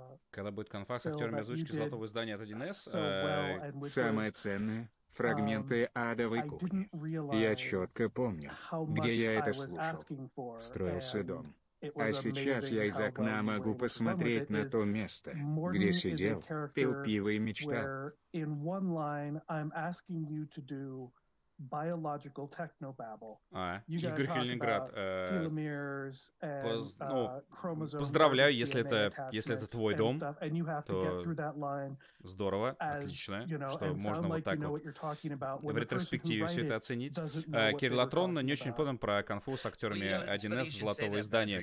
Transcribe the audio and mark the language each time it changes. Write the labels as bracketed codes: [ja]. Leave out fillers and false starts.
[ru] когда будет конфа с актерами озвучки золотого издания от 1С, самое ценное — фрагменты адовой кухни. Я четко помню, где я это слушал. Строился дом. А сейчас я из окна могу посмотреть на то место, где сидел, пил пиво и мечтал. [en] In one line, I'm asking you to do biological technobabble. [ru] Игорь Калининград, поздравляю, если это твой дом, то здорово, отлично, что можно вот так вот в ретроспективе все это оценить. Кирилл Атрон не очень понял про конфу с актерами 1С золотого издания.